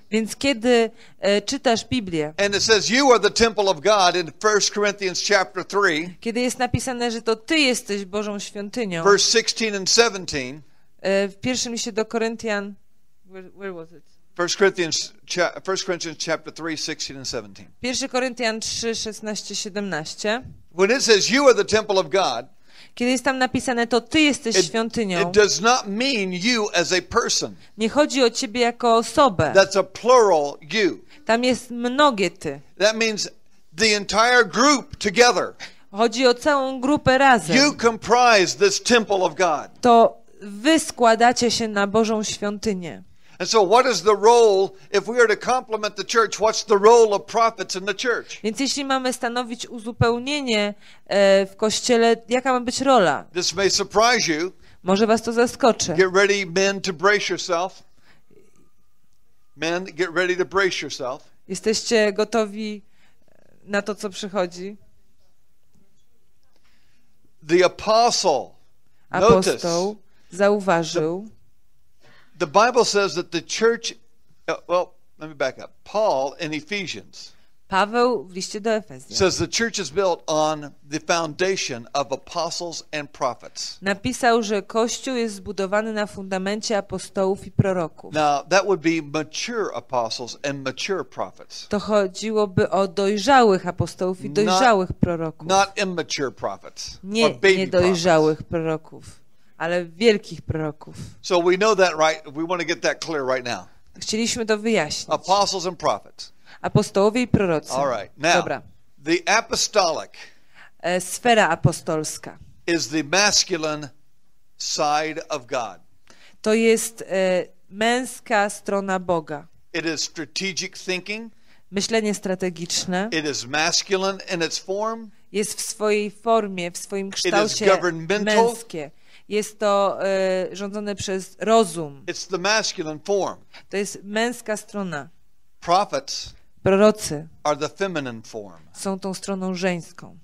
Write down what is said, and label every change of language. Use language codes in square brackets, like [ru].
[pl] więc kiedy czytasz Biblię, [en] and it says you are the temple of God in 1 Corinthians chapter 3, [pl] kiedy jest napisane, że to ty jesteś Bożą świątynią, [en] verse 16 and 17, [pl] w pierwszym liście do Koryntian, [en] where was it? 1 Corinthians chapter 3, 16 and 17. [pl] 1 Koryntian 3, 16, 17. [en] When it says you are the temple of God, [pl] kiedy jest tam napisane, to ty jesteś świątynią, [en] it does not mean you as a person. [pl] Nie chodzi o ciebie jako osobę. [en] That's a plural you. [pl] Tam jest mnogie ty. [en] That means the entire group together. [pl] Chodzi o całą grupę razem. [en] You comprise this temple of God. [pl] To wy składacie się na Bożą świątynię. [en] And so what is the role, if we are to complement the church, what's the role of prophets in the church? [pl] Więc jeśli mamy stanowić uzupełnienie w Kościele, jaka ma być rola? [en] This may surprise you. [pl] Może was to zaskoczy. [en] Get ready, men, to brace yourself. Men, get ready to brace yourself. [pl] Jesteście gotowi na to, co przychodzi? [en] The apostle, [pl] apostoł zauważył. [en] The Bible says that the church, well, let me back up. Paul in Ephesians. [pl] Paweł w liście do Efezjan. [en] Says the church is built on the foundation of apostles and prophets. [pl] Napisał, że Kościół jest zbudowany na fundamencie apostołów i proroków. [en] Now, that would be mature apostles and mature prophets. [pl] To chodziłoby o dojrzałych apostołów i dojrzałych proroków. [en] Not immature prophets. [pl] Nie, niedojrzałych proroków. Ale wielkich proroków. [en] So we know that, right? We want to get that clear right now. [pl] Chcieliśmy to wyjaśnić. [en] Apostles and prophets. [pl] Apostołowie i prorocy. [en] All right. Now, [pl] dobra. [en] The apostolic. [pl] Sfera apostolska. [en] Is the masculine side of God. [pl] To jest męska strona Boga. [en] It is strategic thinking. [pl] Myślenie strategiczne. [en] It is masculine in its form. [pl] Jest w swojej formie, w swoim kształcie. [en] It is governmental. [pl] Męskie. Jest to rządzone przez rozum. [en] It's the masculine form. [pl] To jest męska strona. [en] Prophets. [pl] Prorocy. [en] Are the feminine form. [pl] Są tą stroną żeńską.